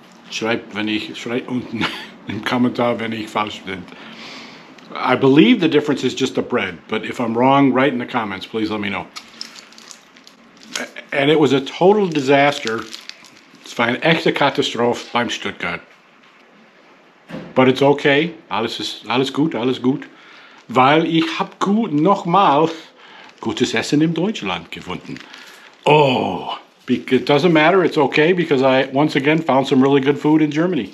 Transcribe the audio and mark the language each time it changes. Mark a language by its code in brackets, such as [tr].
[de] Schreib unten im Kommentar, wenn ich falsch bin. [en] I believe the difference is just the bread, but if I'm wrong, write in the comments, please let me know. And it was a total disaster. [de] Es war eine echte Katastrophe beim Stuttgart. [en] But it's okay, [de] alles gut. Weil ich hab nochmal gutes Essen in Deutschland gefunden. [en] Oh, it doesn't matter, it's okay, because I once again found some really good food in Germany.